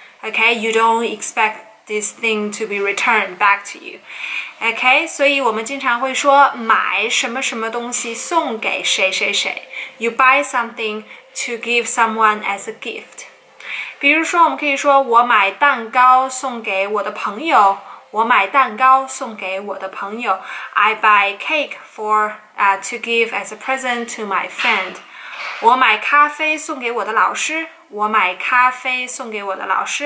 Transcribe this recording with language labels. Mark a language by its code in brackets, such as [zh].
[en] OK，you don't expect this thing to be returned back to you. [zh] Okay, 所以我们经常会说买什么什么东西送给谁谁谁。 [en] You buy something to give someone as a gift. [zh] 比如说，我们可以说我买蛋糕送给我的朋友。我买蛋糕送给我的朋友。 [en] I buy cake for to give as a present to my friend. [zh] 我买咖啡送给我的老师。我买咖啡送给我的老师。